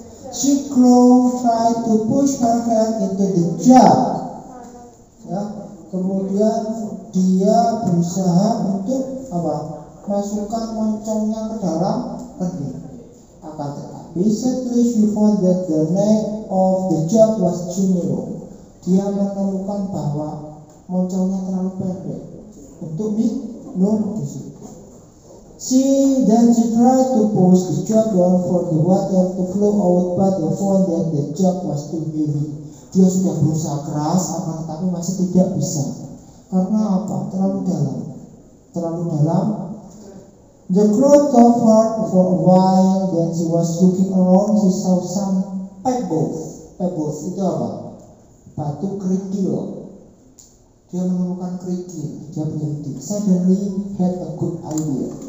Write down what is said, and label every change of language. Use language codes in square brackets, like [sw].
[en] She crawled, tried to push her head into the jar. [id] Ya, kemudian dia berusaha untuk apa? Masukkan moncongnya ke dalam kendi. Akan tetapi, [en] suddenly she found that the neck of the jug was too narrow. [id] Dia menemukan bahwa moncongnya terlalu pendek untuk minum di situ. [en] She tried to push the jug down for the water to flow out, but she found that the jug was too heavy. [id] Dia sudah berusaha keras, akan tetapi masih tidak bisa. Karena apa? Terlalu dalam. Terlalu dalam. [en] The crow thought hard for a while, then she was looking around, she saw some pebbles. [id] Pebbles itu apa? Batu kerikil. Dia menemukan kerikil, dia berhenti. [en] Suddenly, had a good idea.